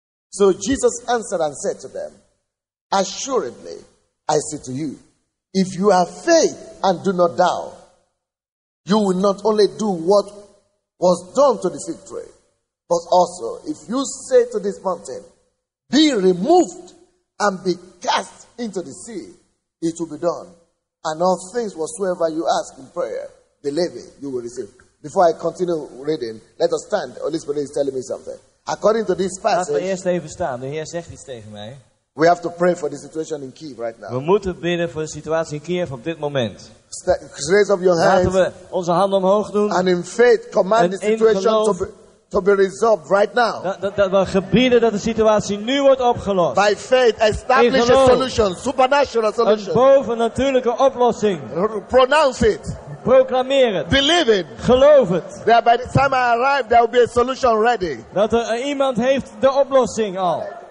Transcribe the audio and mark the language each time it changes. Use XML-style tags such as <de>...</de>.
<en>So Jesus answered and said to them, assuredly, I say to you, if you have faith and do not doubt, you will not only do what was done to the fig tree, but also, if you say to this mountain, be removed and be cast into the sea, it will be done. And all things whatsoever you ask in prayer, believing, you will receive. Before I continue reading, let us stand. The Holy Spirit is telling me something. According to this passage,</en> <nl>laten we eerst even staan. De Heer zegt iets tegen mij.</nl> <en>We have to pray for the situation in Kyiv right now.</en> <nl>We moeten bidden voor de situatie in Kyiv op dit moment.</nl> <en>Raise up your hands.</en> <nl>Laten we onze handen omhoog doen.</nl> <en>And in faith command the situation to be resolved right now.</en> <nl>Dat we gebieden dat de situatie nu wordt opgelost.</nl> <en>By faith establish a solution, supernatural solution.</en> <nl>Een bovennatuurlijke oplossing.</nl> <en>Pronounce it.</en> <nl>Proclameer het.</nl> <en>Believe it.</en> <nl>Geloof het.</nl> <en>That by the time I arrive there will be a solution ready.</en> <nl>Dat er iemand heeft de oplossing al.</nl>